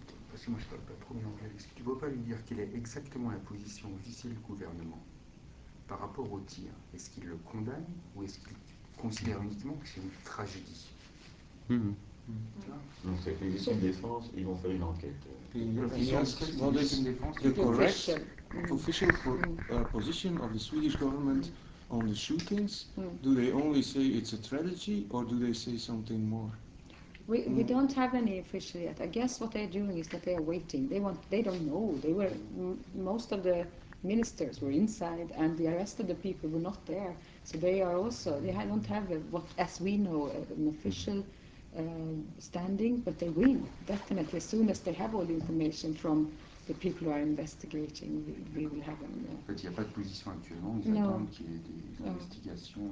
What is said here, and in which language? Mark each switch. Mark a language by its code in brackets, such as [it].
[fr] Parce que moi je parle pas trop bien anglais. Est-ce que tu ne peux pas lui dire quelle est exactement la position officielle du gouvernement par rapport au tir? Est-ce qu'il le condamne ou est-ce qu'il considère uniquement que c'est une tragédie? Donc c'est une question de défense, ils vont faire une enquête. [en] The correct official position of the Swedish government on the shootings, do they only say it's a tragedy or do they say something more? We don't have any official yet. I guess what they're doing is that they are waiting. They don't know. They were most of the ministers were inside and the rest of the people were not there. So they are also, they don't have an official standing, but they will definitely, as soon as they have all the information from the people who are investigating, we will have them. [fr] En fait, il n'y a pas de position actuellement, ils attendent qu'il y ait des investigations.